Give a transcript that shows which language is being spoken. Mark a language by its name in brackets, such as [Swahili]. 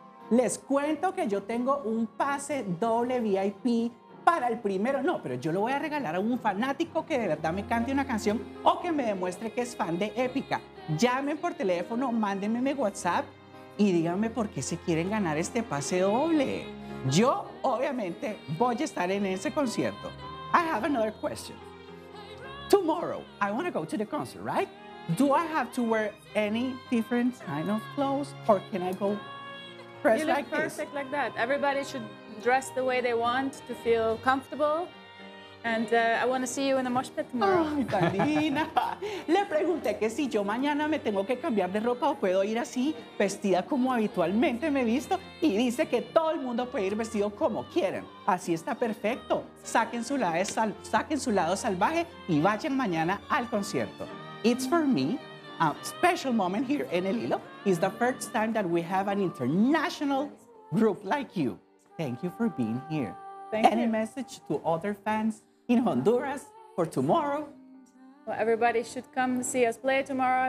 [Spanish] Les cuento que yo tengo un pase doble VIP para el primero, no, pero yo lo voy a regalar a un fanático que de verdad me cante una canción o que me demuestre que es fan de Epica. Llamen por teléfono, mándenme mi WhatsApp y díganme por qué se quieren ganar este pase doble. Yo, obviamente, voy a estar en ese concierto. [English] I have another question. Tomorrow, I want to go to the concert, right? Do I have to wear any different kind of clothes or can I go dressed like this? You look perfect like that. Everybody should dress the way they want to feel comfortable. And I want to see you in a mosh pit tomorrow. [Spanish] Ay, tan divina. Le pregunté que si yo mañana me tengo que cambiar de ropa o puedo ir así, vestida como habitualmente me he visto. Y dice que todo el mundo puede ir vestido como quieren. Así está perfecto. Saquen su lado salvaje y vayan mañana al concierto. [English] It's for me, a special moment here en El Hilo. It's the first time that we have an international group like you. Thank you for being here. Thank you. Any message to other fans in Honduras for tomorrow? Well, everybody should come see us play tomorrow.